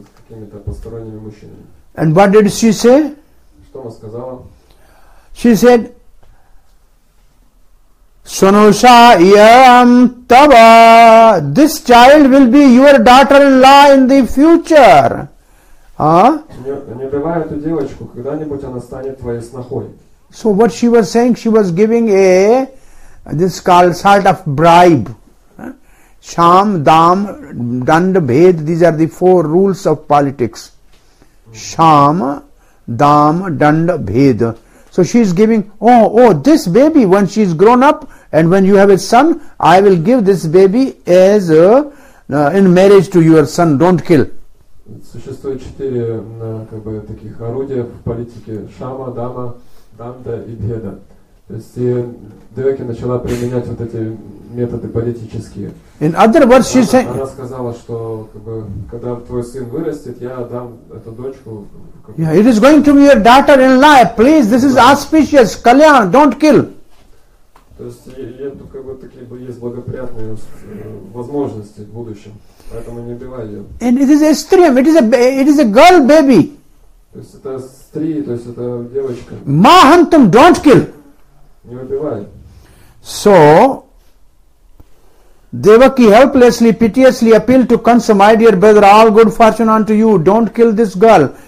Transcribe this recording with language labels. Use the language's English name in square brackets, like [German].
[English] And what did she say? She said, Sanusha Iyam Tava, this child will be your daughter-in-law in the future. [Russian] Не убивай эту девочку, когда-нибудь она станет твоей снохой. [English] So what she was saying, she was giving this called sort of bribe. Sham, Dam, Dand, Bhed, these are the four rules of politics. Sham, Dam, Dand, Bhed. So she is giving, this baby, when she is grown up, and when you have a son, I will give this baby as a, in marriage to your son, don't kill. [Russian] Существует четыре таких орудия в политике: Шама, Дама, Данда и Беда. То есть Деваки начала применять вот эти методы политические. [English] In other words, she said, [Russian] она сказала, что когда твой сын вырастет, я дам эту дочку. [English] Yeah, it is going to be your daughter-in-law. Please, this is auspicious. Kalyan, don't kill. [Russian] То есть ей такие есть благоприятные возможности в будущем. [English] And it is a stream, it is a girl baby. Mahantam, don't kill. So Devaki helplessly, piteously appealed to Kansa, my dear brother, all good fortune unto you, don't kill this girl.